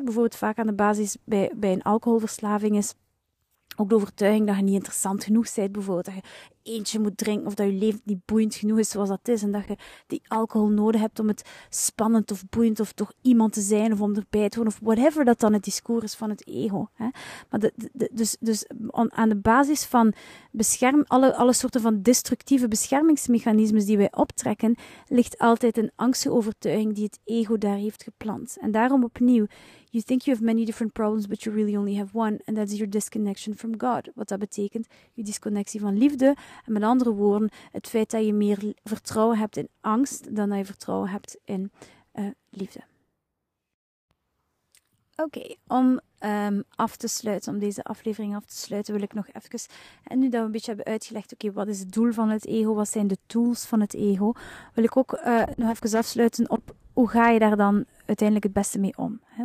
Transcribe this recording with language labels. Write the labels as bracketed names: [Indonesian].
[Dutch] Bijvoorbeeld vaak aan de basis bij een alcoholverslaving is ook de overtuiging dat je niet interessant genoeg bent, bijvoorbeeld dat je eentje moet drinken of dat je leven niet boeiend genoeg is zoals dat is en dat je die alcohol nodig hebt om het spannend of boeiend of toch iemand te zijn of om erbij te wonen of whatever dat dan het discours is van het ego. Hè. Maar dus aan de basis van alle soorten van destructieve beschermingsmechanismes die wij optrekken, ligt altijd een angstige overtuiging die het ego daar heeft geplant. En daarom opnieuw, [English] you think you have many different problems, but you really only have one, and that's your disconnection from God. [Dutch] Wat dat betekent, je disconnectie van liefde. En met andere woorden, het feit dat je meer vertrouwen hebt in angst dan dat je vertrouwen hebt in liefde. Oké, om af te sluiten, om deze aflevering af te sluiten, wil ik nog even, en nu dat we een beetje hebben uitgelegd, oké, wat is het doel van het ego, wat zijn de tools van het ego, wil ik ook nog even afsluiten op hoe ga je daar dan uiteindelijk het beste mee om? Hè?